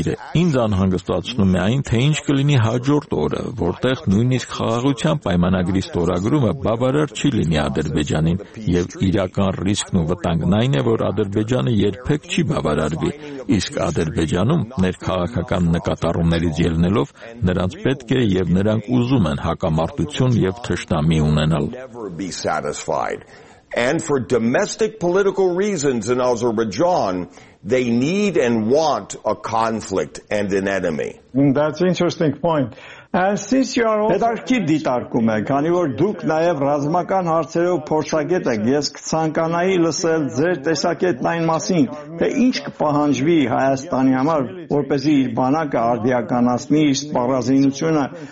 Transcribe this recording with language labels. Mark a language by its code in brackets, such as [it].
[hy] հետաքրքիր է։ Ինձ անհանգստացնում է այն, թե ինչ կլինի հաջորդ օրը, որտեղ նույնիսկ խաղաղության պայմանագրի ստորագրումը բավարար չի լինի Ադրբեջանին, եւ իրական ռիսկն ու վտանգն այն է, որ Ադրբեջանը երբեք չի բավարարվի, իսկ Ադրբեջանում ներքաղաքական նկատառումներից ելնելով նրանց պետք է եւ նրանք ուզում են հակամարտություն եւ թշնամի ունենալ։ [en] And for domestic political reasons in Azerbaijan, they need and want a conflict and an enemy. That's an interesting point. And since you are [hy] Պետարքի դիտարկում եք, քանի որ դուք նաև ռազմական հարցերով փորձագետ եք, ես կցանկանայի լսել ձեր տեսակետն այն մասին, թե ինչ կպահանջվի Հայաստանի համար, որպեսզի իր բանակը արդիականացնի իր սպառազինությունը,